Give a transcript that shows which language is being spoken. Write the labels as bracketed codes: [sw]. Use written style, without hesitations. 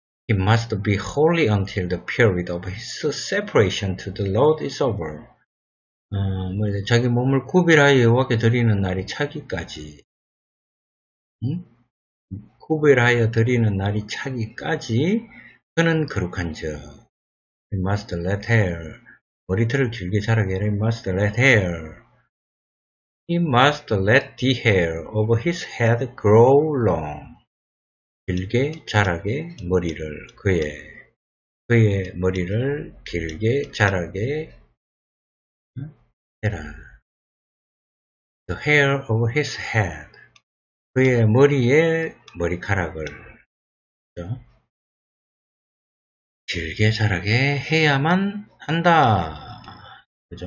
[en] He must be holy until the period of his separation to the Lord is over. [ko] 자기 몸을 구별하여 여호와께 드리는 날이 차기까지. 응? 구별하여 드리는 날이 차기까지 그는 거룩한 적. [en] He must let hair. [ko] 머리털을 길게 자라게 해라. [en] He must let hair. He must let the hair of his head grow long. [ko] 길게 자라게 머리를 그의 머리를 길게 자라게 해라. [en] The hair of his head. [ko] 그의 머리에 머리카락을 그렇죠? 길게 자라게 해야만 한다. 그죠?